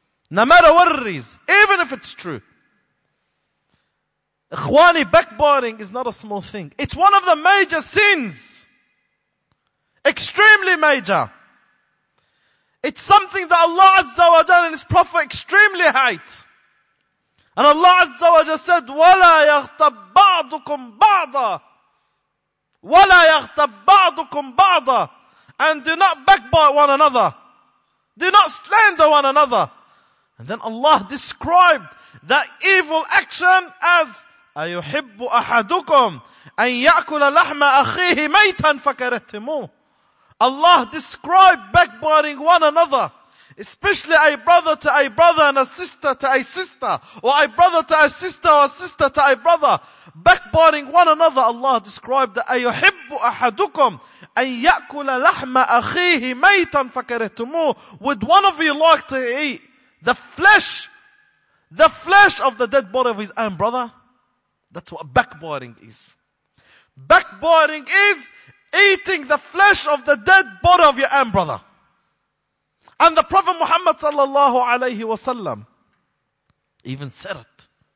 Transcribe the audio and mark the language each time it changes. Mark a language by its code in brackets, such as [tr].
[en] No matter what it is, even if it's true. Ikhwani, backbiting is not a small thing. It's one of the major sins. Extremely major. It's something that Allah Azza wa Jalla and His Prophet extremely hate. And Allah Azza wa Jalla said, [ar] وَلَا يَغْتَبْ بَعْضُكُمْ بَعْضًا وَلَا يَغْتَبْ بَعْضُكُمْ بَعْضًا. [en] And do not backbite one another. Do not slander one another. And then Allah described that evil action as, [ar] أَيُحِبُّ أَحَدُكُمْ أَن يَأْكُلَ لَحْمَ أَخِيهِ مَيْتًا فَكَرَهْتُمُوهُ. [en] Allah described backbiting one another, especially a brother to a brother and a sister to a sister, or a brother to a sister or a sister to a brother. Backbiting one another, Allah described that, [ar] أَيُحِبُّ أَحَدُكُمْ أَن يَأْكُلَ لَحْمَ أَخِيهِ مَيْتًا فَكَرَهْتُمُوهُ. [en] Would one of you like to eat the flesh of the dead body of his own brother? That's what backbiting is. Backbiting is eating the flesh of the dead body of your own brother. And the Prophet Muhammad sallallahu alayhi wa sallam even said it.